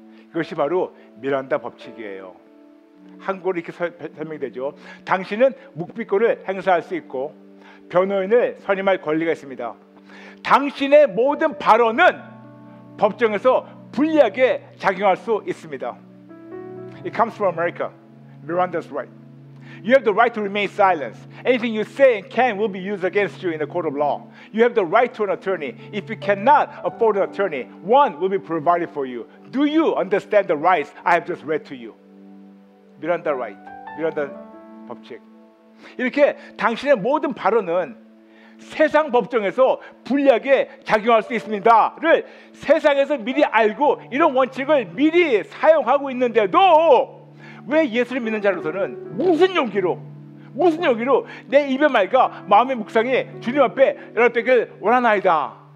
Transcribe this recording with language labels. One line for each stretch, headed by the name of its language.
Korean: 이것이 바로 미란다 법칙이에요. 한국어로 이렇게 설명되죠. 당신은 묵비권을 행사할 수 있고 변호인을 선임할 권리가 있습니다. 당신의 모든 발언은 법정에서 불리하게 작용할 수 있습니다.
English: It comes from America. Miranda's right. You have the right to remain silent. Anything you say and can will be used against you in a court of law. You have the right to an attorney. If you cannot afford an attorney, one will be provided for you. Do you understand the rights I have just read to you? Miranda right. Miranda 법칙.
Korean: 이렇게 당신의 모든 발언은 세상 법정에서 불리하게 작용할 수 있습니다를 세상에서 미리 알고 이런 원칙을 미리 사용하고 있는데도 왜 예수를 믿는 자로서는 무슨 용기로 내 입의 말과 마음의 묵상이 주님 앞에 열어두길 원하나이다.